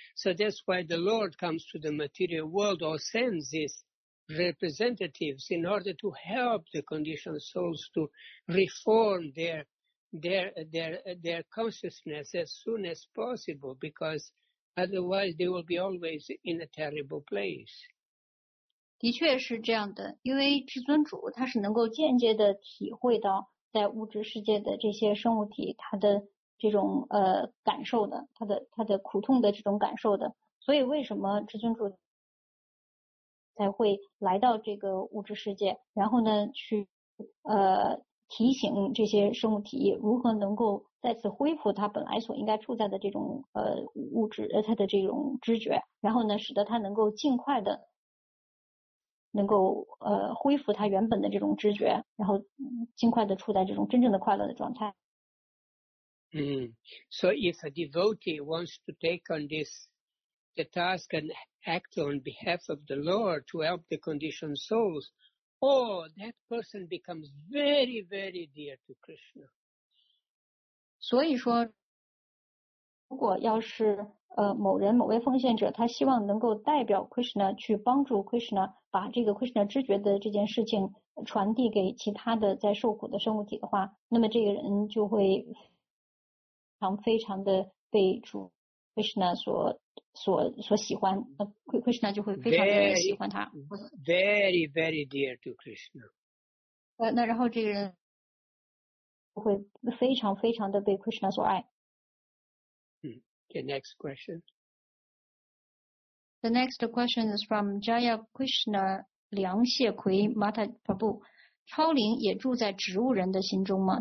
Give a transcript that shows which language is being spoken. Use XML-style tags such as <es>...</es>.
<en>So that's why the Lord comes to the material world or sends his representatives in order to help the conditioned souls to reform their consciousness as soon as possible, because otherwise they will be always in a terrible place.</en> <zh>的确是这样的，因为至尊主他是能够间接的体会到在物质世界的这些生物体它的这种感受的它的苦痛的这种感受的，所以为什么至尊主才会来到这个物质世界，然后呢去提醒这些生物体如何能够再次恢复它本来所应该处在的这种物质它的这种知觉，然后呢使得它能够尽快的能够恢复他原本的这种知觉，然后尽快的处在这种真正的快乐的状态。</zh> <en>So if a devotee wants to take on the task and act on behalf of the Lord to help the conditioned souls, that person becomes very, very dear to Krishna.</en> <zh>所以说，如果要是某人某位奉献者，他希望能够代表 Krishna 去帮助 Krishna。把这个 Krishna 知觉的这件事情传递给其他的在受苦的生物体的话，那么这个人就会非常的被主 Krishna 所喜欢，那 Krishna 就会非常的喜欢他。</zh> <en>Very, very dear to Krishna.</en> <zh>那然后这个人会非常非常的被 Krishna 所爱。</zh> <en>Okay, next question. The next question is from Jaya Krishna 梁谢奎 Mata Prabhu.</en> <zh>超灵也住在植物人的心中吗？</zh>